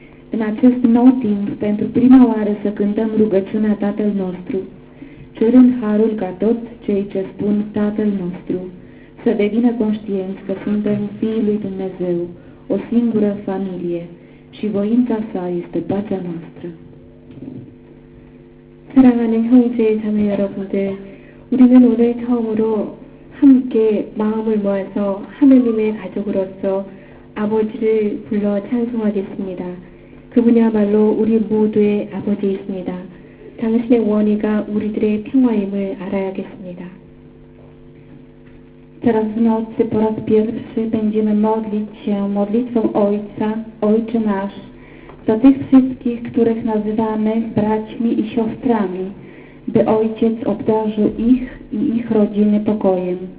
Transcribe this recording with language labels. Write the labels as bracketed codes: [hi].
[ro] În acest nou timp, pentru prima oară să cântăm rugăciunea Tatăl nostru, cerând harul ca tot cei ce spun Tatăl nostru să devină conștienți că suntem Fiii lui Dumnezeu, o singură familie, și voința sa este pacea noastră. Sărăvă ne-i hoi ce-i ta mea rog de urmă lor [ko] 함께 마음을 모아서 하느님의 가족으로서 아버지를 불러 찬송하겠습니다. 그분이야말로 우리 모두의 아버지이십니다. 당신의 원의가 우리들의 평화임을 알아야겠습니다. [pl] Teraz w nocy po raz pierwszy będziemy modlić się modlitwą Ojca, Ojcze nasz, za tych wszystkich, których nazywamy braćmi i siostrami, by Ojciec obdarzył ich i ich rodziny pokojem.